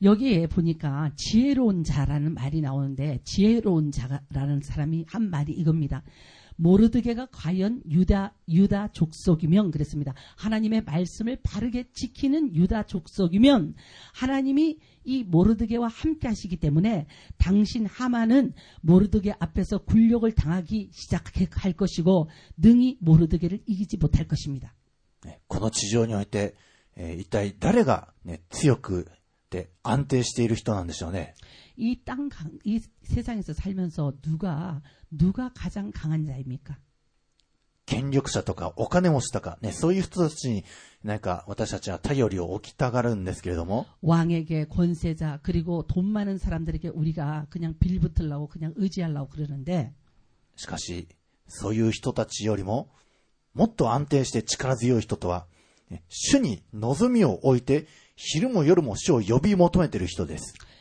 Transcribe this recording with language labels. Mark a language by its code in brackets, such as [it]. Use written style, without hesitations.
[ko] 여기에보니까지혜로운자라는말이나오는데지혜로운자라는사람이한말이이겁니다모르드게가과연유다족속이면그랬습니다하나님의말씀을바르게지키는유다족속이면하나님이이모르드게와함께하시기때문에당신하만은모르드게앞에서굴욕을당하기시작할것이고능히모르드게를이기지못할것입니다 [ja] この地上において一体誰が、ね、強くて安定している人なんでしょうね。 [ko] 이땅이세상에서살면서누가가장강한자입니까 [ja] 権力者とかお金持ちとかね、そういう人たちになんか私たちは頼りを置きたがるんですけれども。 [ko] 왕에게권세자그리고돈많은사람들에게우리가그냥빌붙으려고그냥의지하려고그러는데。 [ja] しかし、そういう人たちよりも、もっと安定して力強い人とは、主に望みを置いて昼も夜も主を呼び求めている人です。